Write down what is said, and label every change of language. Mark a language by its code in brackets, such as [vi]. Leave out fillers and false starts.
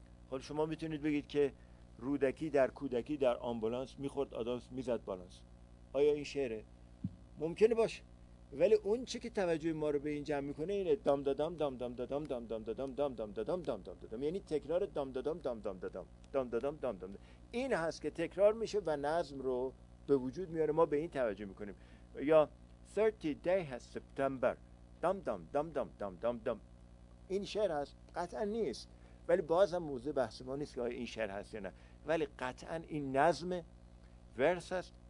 [fa] حالا شما میتونید بگید که رودکی در کودکی در آمبولانس میخورد آدامس میزد بالانس، آیا این شعره؟ ممکنه باشه، ولی اون چه که توجه ما رو به این جمع میکنه اینه: دام دادام دام دام دادام دام دام دادام دام دام دادام دام دام دادام، یعنی تکرار دام دادام دام دام دادام دام دادام دام دام. این هست که تکرار میشه و نظم رو به وجود میاره. ما به این توجه میکنیم. [en] یا 30 day has September. Dum dum dum dum dum dum dum. این شعر هست؟ قطعاً نیست. [fa] ولی بازم موضوع بحث ما نیست که آیا این شعر هست یا نه. ولی قطعاً این نظم ورس است.